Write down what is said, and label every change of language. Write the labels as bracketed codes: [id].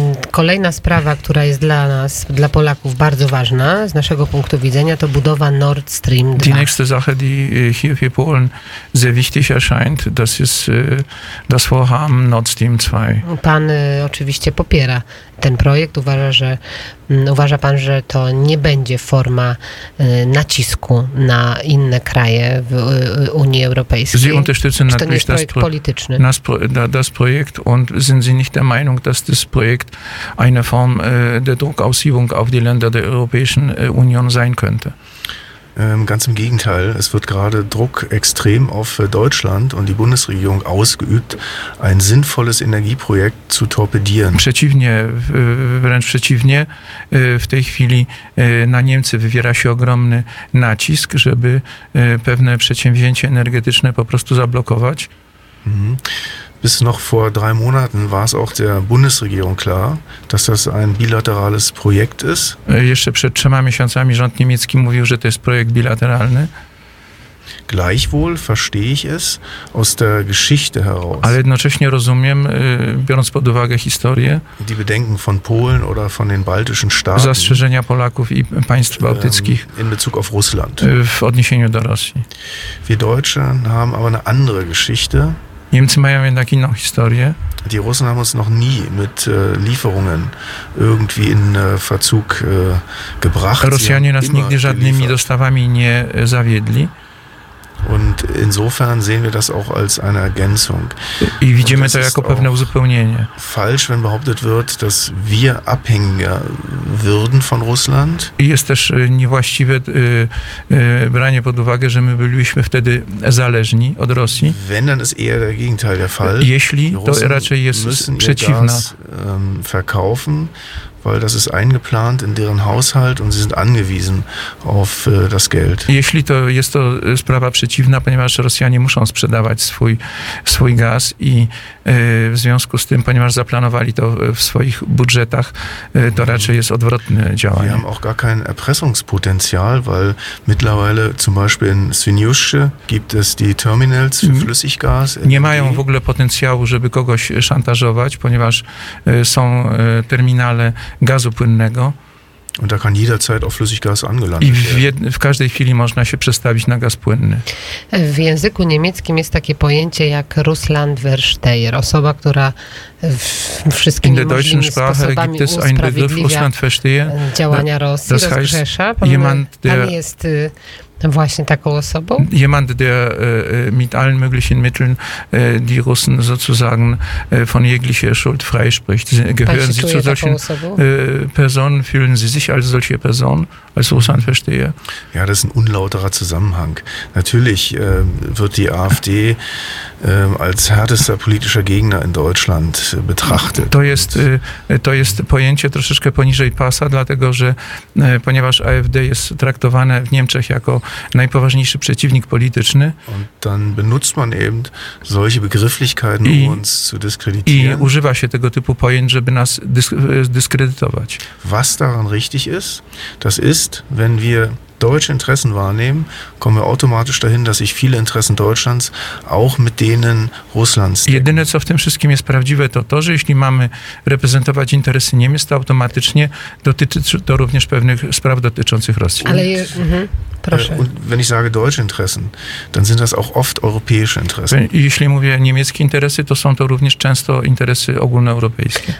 [pl] Kolejna sprawa, która jest dla nas, dla Polaków bardzo ważna z naszego punktu widzenia, to budowa Nord Stream 2. [de] Die nächste Sache, die hier für Polen sehr wichtig erscheint, das ist das Vorhaben Nord Stream 2. [pl] Pan oczywiście popiera ten projekt, uważa, że Uważa pan, że to nie będzie forma nacisku na inne kraje w Unii Europejskiej? [de] Sie unterstützen natürlich [pl] to nie jest projekt polityczny? [de] Das Projekt und sind Sie nicht der Meinung, dass das Projekt eine Form der Druckausübung auf die Länder der Europäischen Union sein könnte? Ganz im Gegenteil, es wird gerade Druck extrem auf Deutschland und die Bundesregierung ausgeübt, ein sinnvolles Energieprojekt zu torpedieren. [pl] Przeciwnie, wręcz przeciwnie, w tej chwili na Niemcy wywiera się ogromny nacisk, żeby pewne przedsięwzięcie energetyczne po prostu zablokować. [de] Bis noch vor drei Monaten war es auch der Bundesregierung klar, dass das ein bilaterales Projekt ist. [pl] Jeszcze przed trzema miesiącami rząd niemiecki mówił, że to jest projekt bilateralny. [de] Gleichwohl verstehe ich es aus der Geschichte heraus. [pl] Ale jednocześnie rozumiem, biorąc pod uwagę historię, [de] die Bedenken von Polen oder von den baltischen Staaten, [pl] zastrzeżenia Polaków i państw bałtyckich [de] in Bezug auf Russland. [pl] W odniesieniu do Rosji. [de] Wir Deutsche haben aber eine andere Geschichte. [pl] Niemcy mają jednak inną historię. [de] Die Russen haben uns noch nie mit Lieferungen irgendwie in Verzug gebracht. [pl] Rosjanie nas nigdy żadnymi dostawami nie zawiedli. [de] Und insofern sehen wir das auch als eine Ergänzung. [pl] I widzimy to jako pewne uzupełnienie. [de] Falsch, wenn behauptet wird, dass wir abhängiger würden von Russland. [pl] I jest też niewłaściwe branie pod uwagę, że my bylibyśmy wtedy zależni od Rosji. [de] Wenn, dann ist eher der Gegenteil der Fall. [pl] Jeśli, to raczej jest przeciwna. [de] Russen müssen ihr Gas verkaufen, weil das ist eingeplant in deren Haushalt und sie sind angewiesen auf das Geld. [pl] Jeśli to jest to sprawa przeciwna, ponieważ Rosjanie muszą sprzedawać swój gaz i w związku z tym, ponieważ zaplanowali to w swoich budżetach, to raczej jest odwrotne działanie. [de] Wir haben auch gar kein Erpressungspotenzial, weil mittlerweile zum Beispiel in Świnoujście gibt es die Terminals für Flüssiggas. [pl] Nie mają w ogóle potencjału, żeby kogoś szantażować, ponieważ są terminale gazu płynnego. [de] Und da kann jederzeit auf Flüssiggas angelandet werden. [pl] W każdej chwili można się przestawić na gaz płynny. W języku niemieckim jest takie pojęcie jak Russlandversteher, osoba, która wszystkimi możliwymi sposobami usprawiedliwia działania Rosji, rozgrzesza. Pan jest właśnie taką osobą? [de] Jemand, der mit allen möglichen Mitteln die Russen sozusagen von jeglicher Schuld freispricht. Gehören Sie zu solchen Personen? Fühlen Sie sich als solche Person, als Russlandversteher? Ja, das ist ein unlauterer Zusammenhang. Natürlich wird die AfD als härtester politischer Gegner in Deutschland betrachtet. [pl] To jest pojęcie troszeczkę poniżej pasa, dlatego że ponieważ AfD jest traktowane w Niemczech jako najpoważniejszy przeciwnik polityczny. [de] Und dann benutzt man eben solche Begrifflichkeiten, um uns zu [pl] dyskredytować. I używa się tego typu pojęć, żeby nas dyskredytować. [de] Was daran richtig ist, das ist, wenn wir deutsche Interessen wahrnehmen, kommen wir automatisch dahin, dass sich viele Interessen Deutschlands auch mit denen Russlands decken. [pl] Jedyne, co w tym wszystkim jest prawdziwe, to, że jeśli mamy reprezentować interesy Niemiec, to automatycznie dotyczy to również pewnych spraw dotyczących Rosji. Ale jest... [de] Und wenn ich sage deutsche Interessen, dann sind das auch oft europäische Interessen. [pl] Jeśli mówię niemieckie interesy, to są to również często interesy ogólnoeuropejskie.